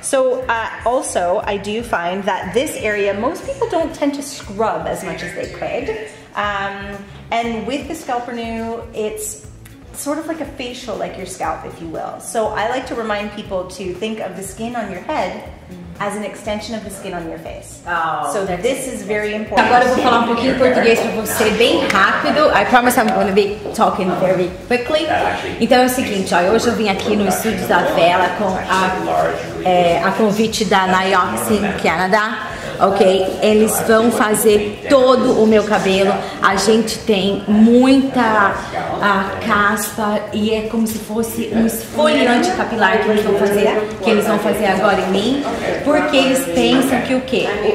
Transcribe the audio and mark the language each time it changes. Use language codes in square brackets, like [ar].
[en] So also, I do find that this area, most people don't tend to scrub as much as they could. And with the Scalp Renew, it's sort of like a facial, like your scalp, if you will. So I like to remind people to think of the skin on your head as an extension of the skin on your face. Oh, so this is very important. [pt] Agora eu vou falar um pouquinho em português para você, bem rápido. [en] I promise I'm going to be talking very quickly. [pt] Então é o seguinte, ó, hoje eu vim aqui no estúdio da Wella com a convite da Nioxin Canada. Ok, eles vão fazer todo o meu cabelo. A gente tem muita caspa e é como se fosse um esfoliante capilar que eles vão fazer, agora em mim, porque eles pensam que o quê?